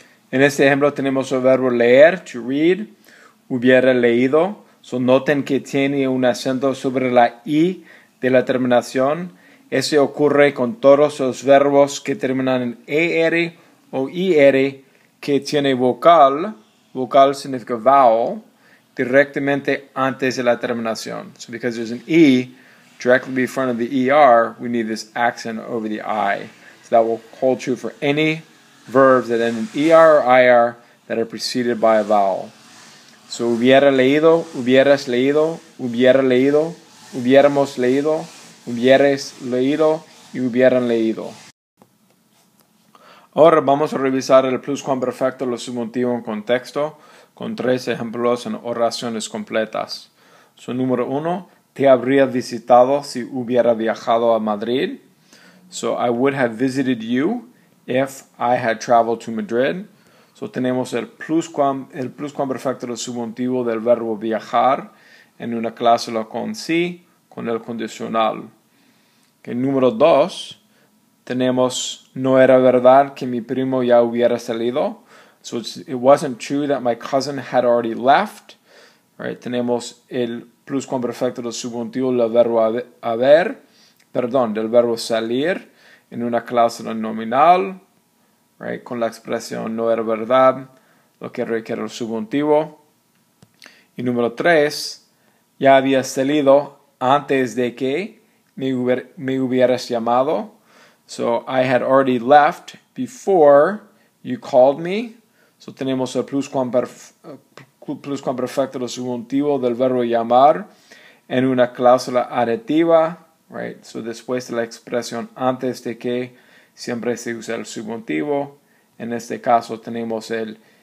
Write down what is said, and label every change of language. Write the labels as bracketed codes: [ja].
[es] En este ejemplo tenemos el verbo leer, [en] to read. [es] Hubiera leído, so noten que tiene un acento sobre la I de la terminación. Eso ocurre con todos los verbos que terminan en ER o IR que tiene vocal, vocal significa vowel, directamente antes de la terminación. [en] So because there's an E directly in front of the ER, we need this accent over the I. So that will hold true for any verbs that end in ER or IR that are preceded by a vowel. [es] So, hubiera leído, hubieras leído, hubiera leído, hubiéramos leído, hubieres leído y hubieran leído. Ahora vamos a revisar el pluscuamperfecto del subjuntivo en contexto con tres ejemplos en oraciones completas. So, número uno, te habría visitado si hubiera viajado a Madrid. [en] So, I would have visited you if I had traveled to Madrid. [es] So, tenemos el pluscuamperfecto del subjuntivo del verbo viajar en una clase con sí, con el condicional. Okay, número dos, tenemos no era verdad que mi primo ya hubiera salido. [en] So, it wasn't true that my cousin had already left. [es] Right, tenemos el pluscuamperfecto del subjuntivo del verbo salir en una clase nominal. Right, con la expresión no era verdad, lo que requiere el subjuntivo. Y número tres, ya había salido antes de que me hubieras llamado. [en] So, I had already left before you called me. [es] So, tenemos el pluscuamperfecto del subjuntivo del verbo llamar en una cláusula adjetiva. Right, so, después de la expresión antes de que, siempre se usa el subjuntivo. En este caso tenemos el